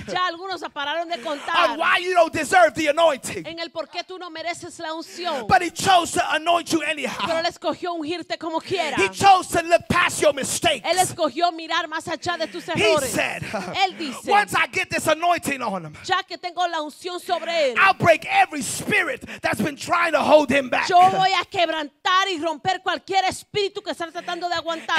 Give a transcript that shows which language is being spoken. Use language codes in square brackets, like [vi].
[es] Ya algunos pararon de contar. [en] On why you don't deserve the anointing. [es] En el por qué tú no mereces la unción. [en] But he chose to anoint you anyhow. [es] Pero él escogió ungirte como quiera. [en] He chose to look past your mistakes. [es] Él escogió mirar más allá de tus errores. [en] He said, [es] él dice, [en] once I get this anointing on him, [es] ya que tengo la unción sobre él, [en] I'll break every spirit that's been trying to hold him back. [es] Yo voy a quebrantar y romper cualquier espíritu que está tratando de aguantar.